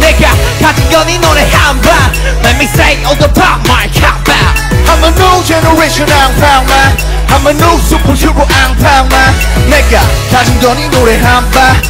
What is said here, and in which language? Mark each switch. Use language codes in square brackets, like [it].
[ko] 내가 가진 건 이 노래 한 번. [en] Let me say all the pop my cap out. I'm a new generation, ANPANMAN. I'm a new superhero, ANPANMAN. [ko] 내가 가진 건 이 노래 한 번.